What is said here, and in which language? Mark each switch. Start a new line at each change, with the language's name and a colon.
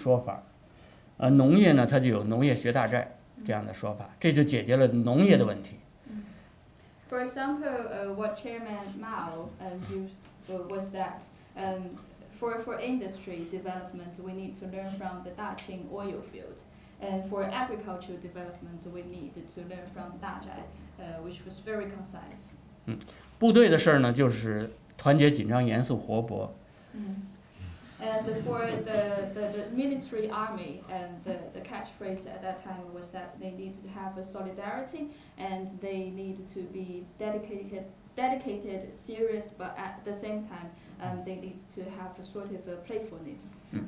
Chinese: 比如说在毛的那个阶段，实际上呢，比如说他工业，他就有工业学大庆的一个说法，农业呢，他就有农业学大寨这样的说法，这就解决了农业的问题。
English: For example, what Chairman Mao used was that for industry development, we need to learn from the Daqing oil field. And for agricultural development, we need to learn from Dazhai, which was very concise.
Chinese: 部队的事呢, 就是团结紧张, 严肃活泼。
English: And for the military army, and the catchphrase at that time was that they need to have a solidarity and they need to be dedicated, serious, but at the same time, they need to have a sort of a playfulness.